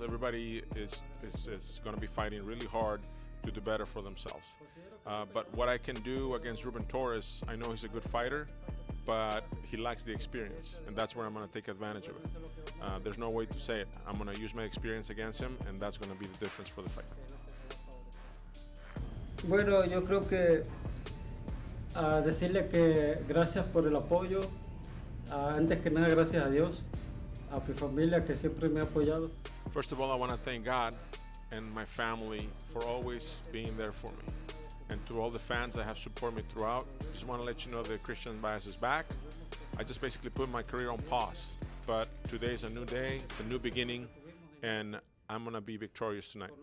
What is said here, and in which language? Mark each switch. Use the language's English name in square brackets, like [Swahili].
[English] Everybody is going to be fighting really hard to do better for themselves. But what I can do against Ruben Torres, I know he's a good fighter, but he lacks the experience, and that's where I'm going to take advantage of it. There's no way to say it. I'm going to use my experience against him, and that's going to be the difference for the fight. [Spanish] Bueno, yo creo que decirle que gracias por el apoyo. Antes que nada, gracias a Dios, a mi familia que siempre me ha apoyado. [English] First of all, I want to thank God and my family for always being there for me. And to all the fans that have supported me throughout, just want to let you know that Cristian Baez is back. I just basically put my career on pause, but today is a new day, it's a new beginning, and I'm going to be victorious tonight.